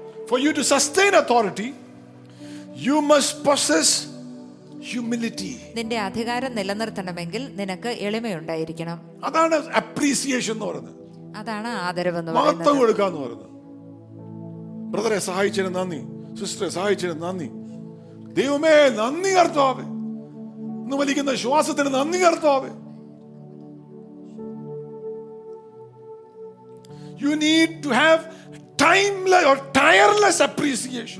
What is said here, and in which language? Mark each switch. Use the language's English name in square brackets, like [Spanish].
[English] For you to sustain authority, you must possess humility. [Malayalam] നിന്റെ അധികാരം നിലനിർത്തണമെങ്കിൽ നിനക്ക് എളിമയുണ്ടായിരിക്കണം. അതാണ് അപ്രീസിയേഷൻ എന്ന് പറയുന്നത്. അതാണ് ആദരവ് എന്ന് പറയുന്നത്. മഹത്വം കൊടുക്കുക എന്ന് പറയുന്നത്. ബ്രദറെ സഹായിച്ചതിന് നന്ദി, സിസ്റ്ററെ സഹായിച്ചതിന് നന്ദി. ദൈവമേ നന്ദി കർത്താവേ, ഇന്ന് വലിക്കുന്ന ശ്വാസത്തിന് നന്ദി കർത്താവേ. [English] You need to have timeless or tireless appreciation.